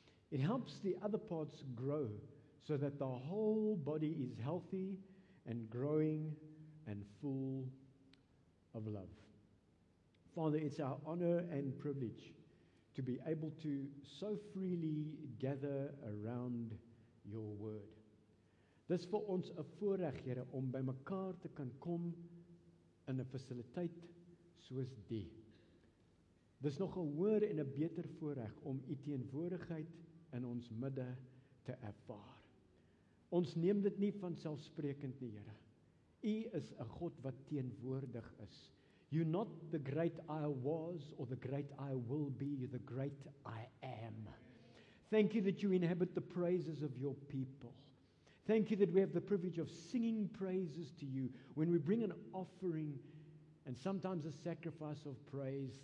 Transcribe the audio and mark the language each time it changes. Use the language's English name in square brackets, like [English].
[English] It helps the other parts grow so that the whole body is healthy and growing and full of love. Father, it's our honor and privilege to be able to so freely gather around your word. [Afrikaans] Dis vir ons 'n voorreg, Here, om by mekaar te kan kom in 'n fasiliteit soos die. Dis nog 'n hoër en 'n beter voorreg om u teenwoordigheid in ons midde te ervaar. Ons neem dit nie vanselfsprekend nie, Here. U is 'n God wat teenwoordig is. [English] You're not the great I was or the great I will be, you're the great I am. Thank you that you inhabit the praises of your people. Thank you that we have the privilege of singing praises to you when we bring an offering and sometimes a sacrifice of praise.